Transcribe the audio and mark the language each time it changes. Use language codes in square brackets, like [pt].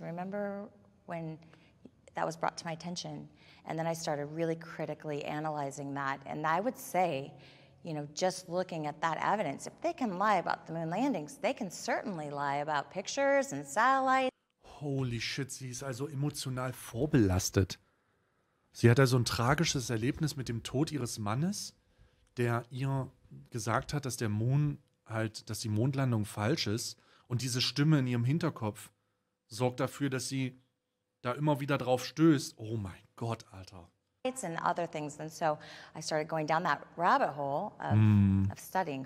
[en] Remember when that was brought to my attention? And then I started really critically analyzing that. And I would say, you know, just looking at that evidence, if they can lie about the moon landings, they can certainly lie about pictures and satellites. Holy shit, [de] sie ist also emotional vorbelastet. Sie hat also ein tragisches Erlebnis mit dem Tod ihres Mannes, der ihr gesagt hat, dass der Mond halt, dass die Mondlandung falsch ist. Und diese Stimme in ihrem Hinterkopf sorgt dafür, dass sie da immer wieder drauf stößt. Oh mein Gott, Alter. [en] It's in other things. And so I started going down that rabbit hole of studying.